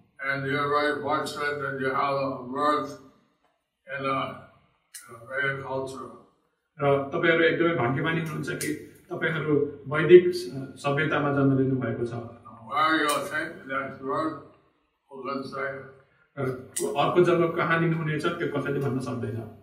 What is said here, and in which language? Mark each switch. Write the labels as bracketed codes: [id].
[en] And you're very fortunate that you have a birth in a Vedic culture. [ne] तपाईहरु एकदमै भाग्यमानी हुनुहुन्छ कि तपाईहरु वैदिक सभ्यतामा जन्म लिनु भएको छ. [en] Where you think that birth will reside? [ne] अर्को जन्म कहाँ लिनु हुनेछ त्यो कसैले भन्न सक्दैन.